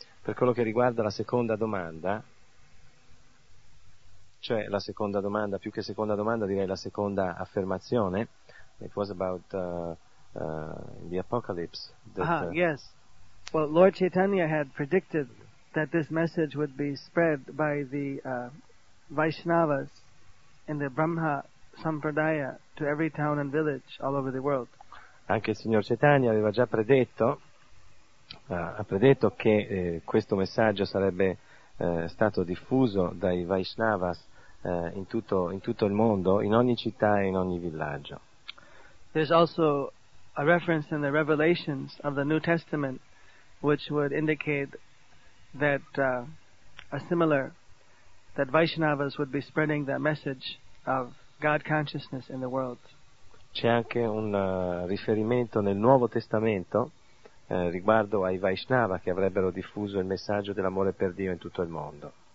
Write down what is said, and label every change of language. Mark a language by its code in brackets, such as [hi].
[it] per quello che riguarda la seconda domanda, cioè la seconda domanda, più che seconda domanda direi la seconda affermazione, [en] it was about the apocalypse. Yes. Well, Lord Chaitanya had predicted that this message would be spread by the Vaishnavas in the Brahma Sampradaya to every town and village all over the world. [it] Anche il signor Chaitanya aveva già predetto. Ha predetto che questo messaggio sarebbe stato diffuso dai Vaishnavas in tutto il mondo, in ogni città e in ogni villaggio. [en] There's also a reference in the revelations of the New Testament which would indicate that that Vaishnavas would be spreading the message of God consciousness in the world. [it] C'è anche un riferimento nel Nuovo Testamento riguardo ai Vaishnava che avrebbero diffuso il messaggio dell'amore per Dio in tutto il mondo.